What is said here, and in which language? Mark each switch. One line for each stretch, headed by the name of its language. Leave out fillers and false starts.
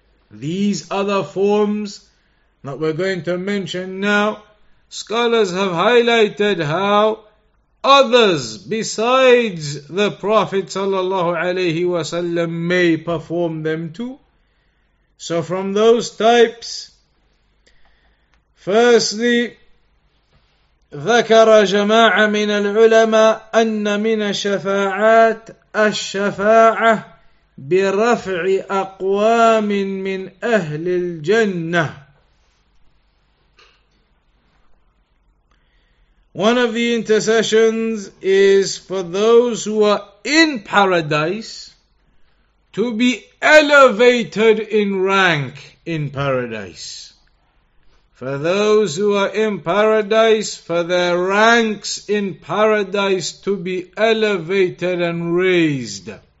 English: These other forms that we're going to mention now, scholars have highlighted how others besides the Prophet sallallahu alaihi wasallam may perform them too. So from those types, firstly,
Arabic: ذكر جماعة من العلماء أن من الشفاعات الشفاعة برفع أقوام من أهل الجنة.
English: One of the intercessions is for those who are in paradise to be elevated in rank in paradise. For those who are in paradise, for their ranks in paradise to be elevated and raised.